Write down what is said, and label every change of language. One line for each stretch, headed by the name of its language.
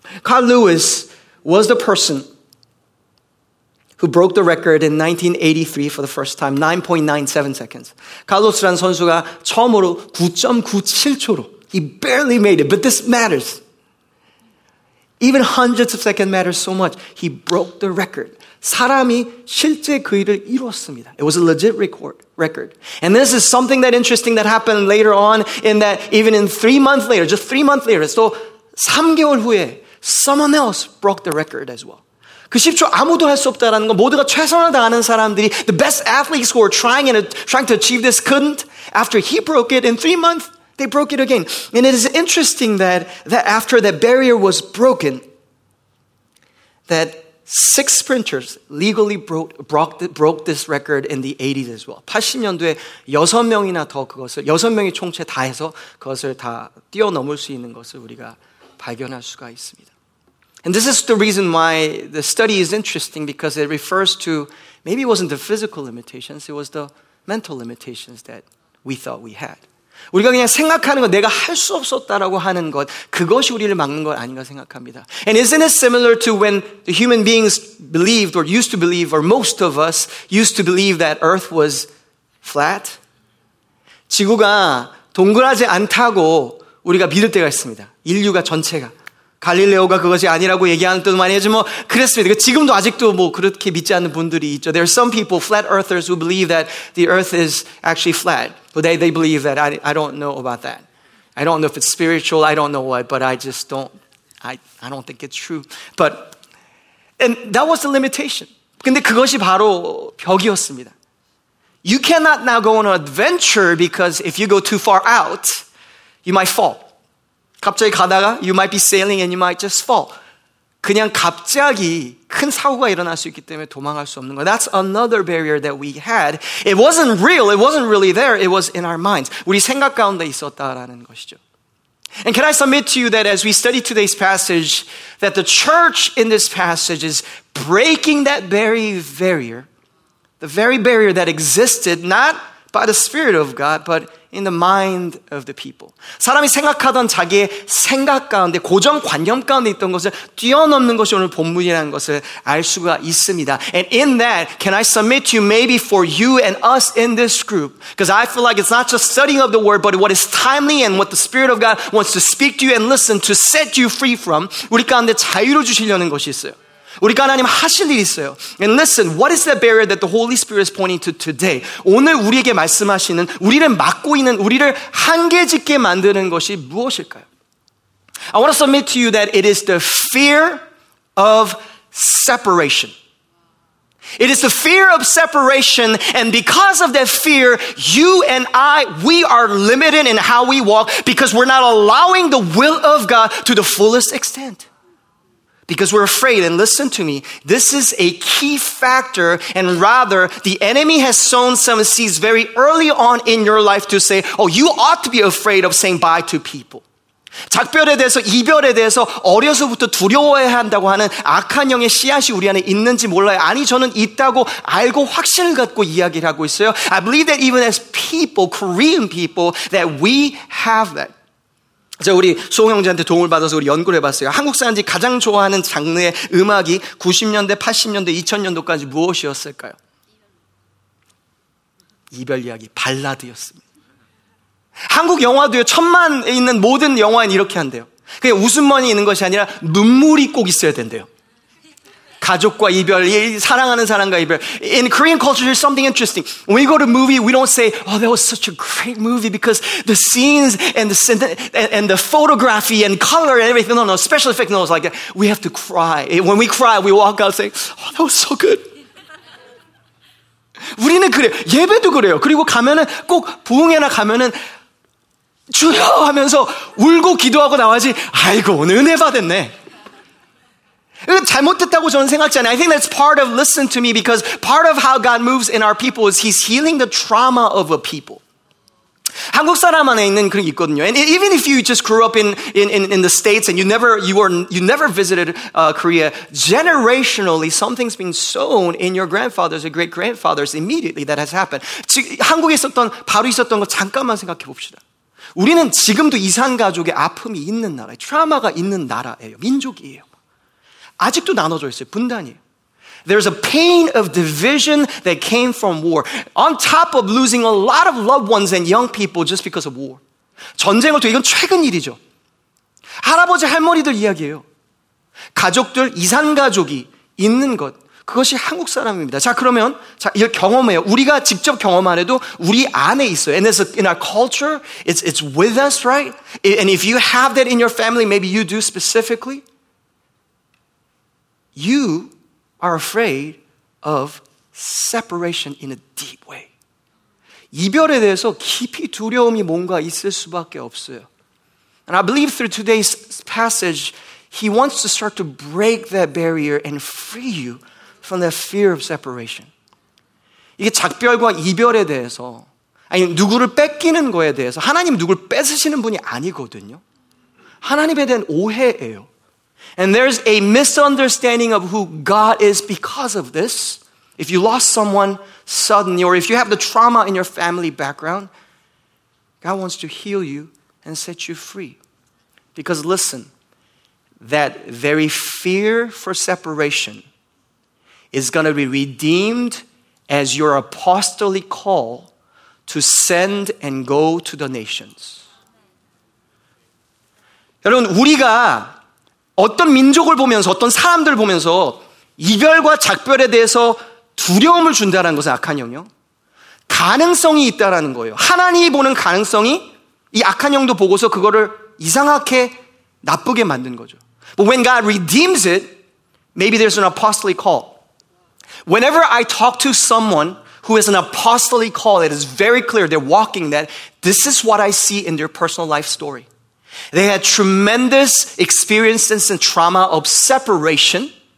English: Carl Lewis was the person who broke the record in 1983 for the first time, 9.97 seconds.
Korean: 칼로스라는 선수가 처음으로 9.97초로,
English: he barely made it, but this matters. Even hundreds of seconds matter so much. He broke the record.
Korean: 사람이 실제 그 일을 이뤘습니다.
English: It was a legit record. And this is something that interesting that happened later on in that even in 3 months later, just 3 months later, so
Korean: 3개월 후에
English: someone else broke the record as well.
Korean: 그 10초 아무도 할 수 없다라는 건 모두가 최선을 다하는 사람들이
English: the best athletes who were trying to achieve this couldn't. After he broke it in 3 months, they broke it again. And it is interesting that after that barrier was broken, that six sprinters legally broke this record in the 80s as well.
Korean: 80년도에 6명이나 더 그것을, 6명이 총체 다 해서 그것을 다 뛰어넘을 수 있는 것을 우리가 발견할 수가 있습니다.
English: And this is the reason why the study is interesting, because it refers to, maybe it wasn't the physical limitations, it was the mental limitations that we thought we had.
Korean: 우리가 그냥 생각하는 것, 내가 할 수 없었다라고 하는 것, 그것이 우리를 막는 것 아닌가 생각합니다.
English: And isn't it similar to when the human beings believed, or used to believe, or most of us used to believe that earth was flat?
Korean: 지구가 동그라지 않다고 우리가 믿을 때가 있습니다. 인류가 전체가. 갈릴레오가 그것이 아니라고 얘기하는 때도 많이 하지만 뭐 그랬습니다. 지금도 아직도 뭐 그렇게 믿지 않는 분들이 있죠.
English: There are some people, flat earthers, who believe that the earth is actually flat. But they believe that, I don't know about that. I don't know if it's spiritual, I don't know what, but I just don't, I don't think it's true. But, and that was the limitation.
Korean: 근데 그것이 바로 벽이었습니다.
English: You cannot now go on an adventure because if you go too far out, you might fall.
Korean: 갑자기 가다가
English: you might be sailing and you might just fall.
Korean: 그냥 갑자기 큰 사고가 일어날 수 있기 때문에 도망할 수 없는 거.
English: That's another barrier that we had. It wasn't real. It wasn't really there. It was in our minds.
Korean: 우리 생각 가운데 있었다라는 것이죠.
English: And can I submit to you that as we study today's passage, that the church in this passage is breaking that very barrier, the very barrier that existed, not by the Spirit of God, but in the mind of the people.
Korean: 사람이 생각하던 자기의 생각 가운데, 고정 관념 가운데 있던 것을 뛰어넘는 것이 오늘 본문이라는 것을 알 수가 있습니다.
English: And in that, can I submit to you, maybe for you and us in this group, because I feel like it's not just studying of the word, but what is timely and what the Spirit of God wants to speak to you and listen to set you free from,
Korean: 우리 가운데 자유를 주시려는 것이 있어요. 우리가 하나님 하실 일이 있어요.
English: And listen, what is that barrier that the Holy Spirit is pointing to today?
Korean: 오늘 우리에게 말씀하시는, 우리를 막고 있는, 우리를 한계 짓게 만드는 것이 무엇일까요?
English: I want to submit to you that it is the fear of separation. It is the fear of separation, and because of that fear, you and I, we are limited in how we walk because we're not allowing the will of God to the fullest extent. Because we're afraid, and listen to me, this is a key factor, and rather, the enemy has sown some seeds very early on in your life to say, oh, you ought to be afraid of saying bye to people.
Korean: 작별에 대해서, 이별에 대해서 어려서부터 두려워해야 한다고 하는 악한 영의 씨앗이 우리 안에 있는지 몰라요. 아니, 저는 있다고 알고 확신을 갖고 이야기를 하고 있어요.
English: I believe that even as people, Korean people, that we have that.
Korean: 제가 우리 수홍 형제한테 도움을 받아서 우리 연구를 해봤어요. 한국 사람들이 가장 좋아하는 장르의 음악이 90년대, 80년대, 2000년도까지 무엇이었을까요? 이별 이야기, 발라드였습니다. 한국 영화도요, 천만에 있는 모든 영화는 이렇게 한대요. 그냥 웃음만이 있는 것이 아니라 눈물이 꼭 있어야 된대요. 가족과 이별, 사랑하는 사람과 이별.
English: In Korean culture, there's something interesting. When we go to a movie, we don't say, oh, that was such a great movie because the scenes and the photography and color and everything. No, no, special effects, no, it's like that. We have to cry. When we cry, we walk out saying, oh, that was so good.
Korean: 우리는 그래요. 예배도 그래요. 그리고 가면은 꼭 부흥회나 가면은 주여 하면서 울고 기도하고 나와야지, 아이고, 오늘 은혜 받았네. 잘못했다고 저는 생각지 않아요.
English: I think that's part of, listen to me, because part of how God moves in our people is he's healing the trauma of a people.
Korean: 한국 사람 안에 있는 그런 게 있거든요.
English: And even if you just grew up in the States and you never visited Korea, generationally something's been sown in your grandfathers or great-grandfathers immediately that has happened.
Korean: 즉, 한국에 있었던, 바로 있었던 거 잠깐만 생각해 봅시다. 우리는 지금도 이산 가족의 아픔이 있는 나라예요. 트라우마가 있는 나라예요. 민족이에요. 아직도 나눠져 있어요. 분단이에요.
English: There's a pain of division that came from war. On top of losing a lot of loved ones and young people just because of war.
Korean: 전쟁을 통해, 이건 최근 일이죠. 할아버지, 할머니들 이야기예요. 가족들, 이산가족이 있는 것. 그것이 한국 사람입니다. 자, 그러면 자, 이걸 경험해요. 우리가 직접 경험 안 해도 우리 안에 있어요.
English: And it's in our culture. It's with us, right? And if you have that in your family, maybe you do specifically. You are afraid of separation in a deep way.
Korean: 이별에 대해서 깊이 두려움이 뭔가 있을 수밖에 없어요.
English: And I believe through today's passage, He wants to start to break that barrier and free you from that fear of separation.
Korean: 이게 작별과 이별에 대해서 아니 누구를 뺏기는 거에 대해서 하나님 누구를 뺏으시는 분이 아니거든요. 하나님에 대한 오해예요.
English: And there's a misunderstanding of who God is because of this. If you lost someone suddenly or if you have the trauma in your family background, God wants to heal you and set you free. Because listen, that very fear for separation is going to be redeemed as your apostolic call to send and go to the nations.
Korean: 여러분, 우리가 어떤 민족을 보면서 어떤 사람들을 보면서 이별과 작별에 대해서 두려움을 준다는 것은 악한 영요. 가능성이 있다라는 거예요. 하나님이 보는 가능성이 이 악한 영도 보고서 그거를 이상하게 나쁘게 만든 거죠.
English: But when God redeems it, maybe there's an apostolic call. Whenever I talk to someone who has an apostolic call, it is very clear they're walking that this is what I see in their personal life story. They had tremendous experiences and trauma of separation.